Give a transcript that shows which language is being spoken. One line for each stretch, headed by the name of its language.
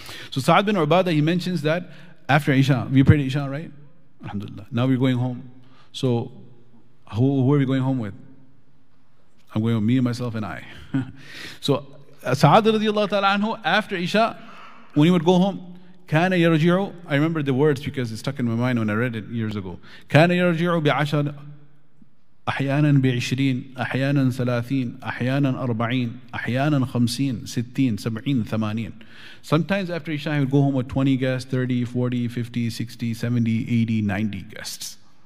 English: So Sa'd bin Ubadah, he mentions that after Isha, we prayed Isha, right? Alhamdulillah. Now we're going home. So who are we going home with? I'm going with me, myself, and I. So Sa'd radiallahu ta'ala anhu, after Isha, when he would go home,
Arabic: كان يرجع,
English: I remember the words because it stuck in my mind when I read it years ago.
Arabic: كان يرجع بعشر أحيانا بعشرين أحيانا ثلاثين أحيانا أربعين أحيانا خمسين ستين سبعين ثمانين.
English: Sometimes after Isha, he would go home with 20 guests, 30, 40, 50, 60, 70, 80, 90 guests.